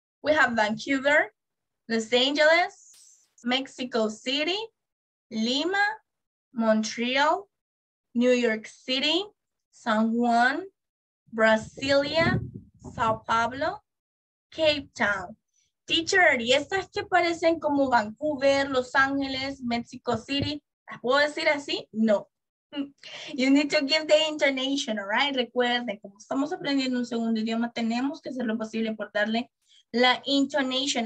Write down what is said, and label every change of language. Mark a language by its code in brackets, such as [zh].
[en] We have Vancouver, Los Angeles, Mexico City, Lima, Montreal, New York City, San Juan, Brasilia, Sao Paulo, Cape Town. [es] Teacher, ¿y estas que parecen como Vancouver, Los Ángeles, Mexico City? ¿Las puedo decir así? No. [en] You need to give the intonation, all right? [es] Recuerden, como estamos aprendiendo un segundo idioma, tenemos que hacer lo posible por darle la intonation.